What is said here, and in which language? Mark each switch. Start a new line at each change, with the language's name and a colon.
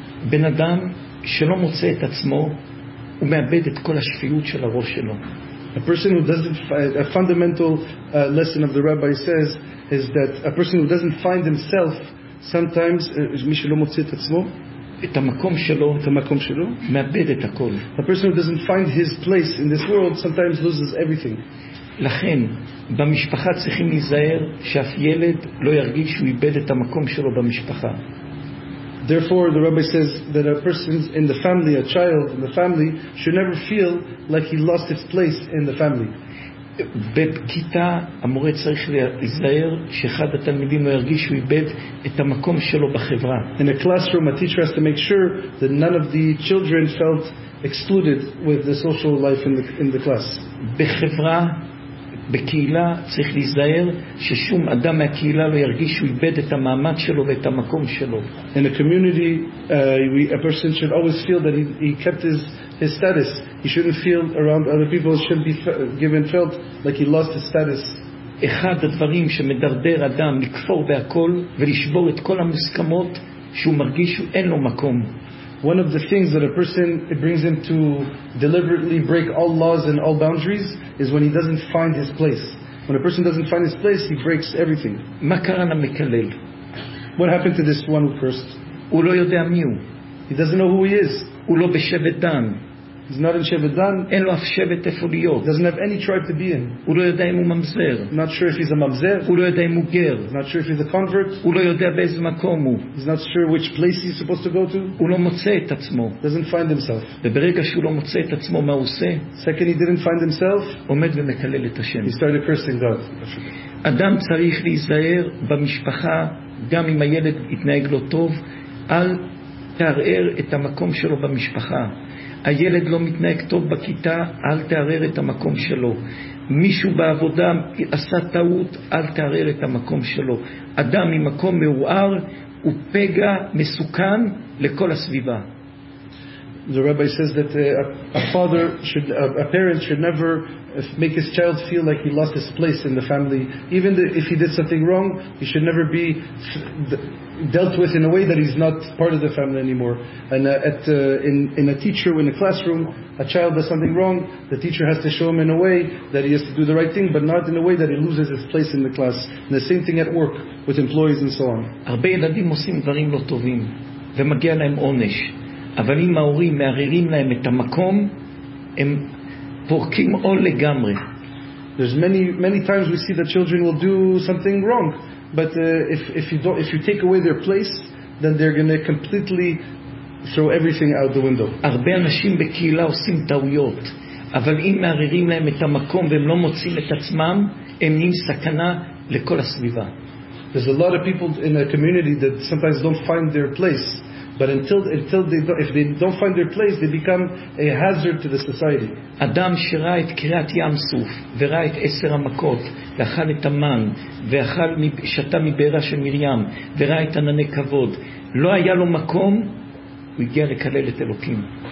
Hebrew: בן אדם שלא מוצא את עצמו, הוא מאבד את כל השפיות של הראש שלו.
English: A person who doesn't find, a fundamental lesson of the rabbi says is that a person who doesn't find himself sometimes
Hebrew: מי שלא מוצא את עצמו, את המקום שלו, את המקום שלו, מאבד את הכל.
English: A person who doesn't find his place in this world sometimes loses everything.
Hebrew: לכן במשפחה צריכים להיזהר שאף ילד לא ירגיש שהוא איבד את המקום שלו במשפחה.
English: Therefore, the rabbi says that a person in the family, a child in the family, should never feel like he lost his place in the family.
Hebrew: בכיתה המורה צריך להיזהר שאחד התלמידים לא ירגיש שהוא איבד את המקום שלו בחברה.
English: In a classroom, a teacher has to make sure that none of the children felt excluded with the social life in the class.
Hebrew: בחברה, בקהילה, צריך להיזהר ששום אדם מהקהילה לא ירגיש שהוא איבד את המעמד שלו ואת המקום שלו.
English: In a community, a person should always feel that he kept his status. He shouldn't feel around other people, should be given felt like he lost his status.
Hebrew: אחד הדברים שמדרדר אדם לכפור בהכל ולשבור את כל המוסכמות שהוא מרגיש שאין לו מקום.
English: One of the things that a person, it brings him to deliberately break all laws and all boundaries is when he doesn't find his place. When a person doesn't find his place, he breaks everything.
Hebrew: מה קרה למקלל?
English: What happened to this one who cursed?
Hebrew: הוא לא יודע מי הוא.
English: He doesn't know who he is.
Hebrew: הוא לא בשבט דן.
English: He's not in Shevet Dan.
Hebrew: אין לו אף שבט איפה להיות.
English: Doesn't have any tribe to be in.
Hebrew: הוא לא יודע אם הוא ממזר.
English: Not sure if he's a ממזר.
Hebrew: הוא לא יודע אם הוא גר.
English: Not sure if he's a convert.
Hebrew: הוא לא יודע באיזה מקום הוא.
English: He's not sure which place he's supposed to go to.
Hebrew: הוא לא מוצא את עצמו.
English: Doesn't find himself.
Hebrew: וברגע שהוא לא מוצא את עצמו, מה הוא עושה?
English: Second, he didn't find himself.
Hebrew: עומד ומקלל את השם.
English: He started cursing God.
Hebrew: אדם צריך להיזהר במשפחה, גם אם הילד התנהג לא טוב, אל תערער את המקום שלו במשפחה. הילד לא מתנהג טוב בכיתה, אל תערער את המקום שלו. מישהו בעבודה עשה טעות, אל תערער את המקום שלו. אדם ממקום מעורער הוא פגע מסוכן לכל הסביבה.
English: The rabbi says that a father should, a parent should never make his child feel like he lost his place in the family. Even if he did something wrong, he should never be dealt with in a way that he's not part of the family anymore. And in a teacher, in a classroom, a child does something wrong, the teacher has to show him in a way that he has to do the right thing, but not in a way that he loses his place in the class. And the same thing at work, with employees and so on.
Hebrew: הרבה ילדים עושים דברים לא טובים, ומגיע להם עונש. אבל אם ההורים מערערים להם את המקום, הם פורקים עול לגמרי.
English: There's many times we see that children will do something wrong, but if you take away their place, then they're going to completely throw everything out the window.
Hebrew: הרבה אנשים בקהילה עושים טעויות, אבל אם מערערים להם את המקום והם לא מוצאים את עצמם, הם נהיים סכנה לכל הסביבה.
English: There's a lot of people in a community that sometimes don't find their place. But until they don't, if they don't find their place, they become a hazard to the society.
Hebrew: Adam שראה את קריאת ים סוף וראה את עשר המכות ואכל את המן ואכל שתה מבארה של מרים וראה את ענני כבוד, לא היה לו מקום, הוא הגיע לקלל את אלוקים.